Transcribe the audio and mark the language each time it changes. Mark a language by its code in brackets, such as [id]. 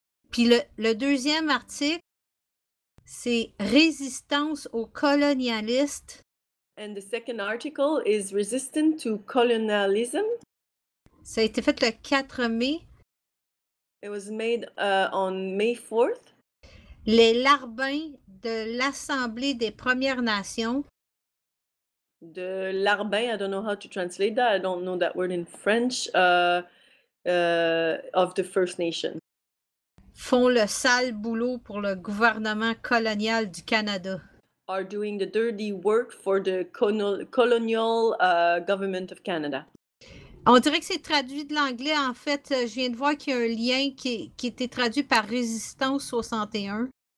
[fr] Puis le deuxième article, c'est résistance aux colonialistes. [en] And the second article is resistant to colonialism. [fr] Ça a été fait le 4 mai. [en] It was made on May 4th. [fr] Les larbins de l'Assemblée des Premières Nations. [en] De larbins, I don't know how to translate that. I don't know that word in French. Of the First Nation. [fr] Font le sale boulot pour le gouvernement colonial du Canada. [en] Are doing the dirty work for the colonial government of Canada. [fr] On dirait que c'est traduit de l'anglais. En fait, je viens de voir qu'il y a un lien qui était traduit par Résistance 61.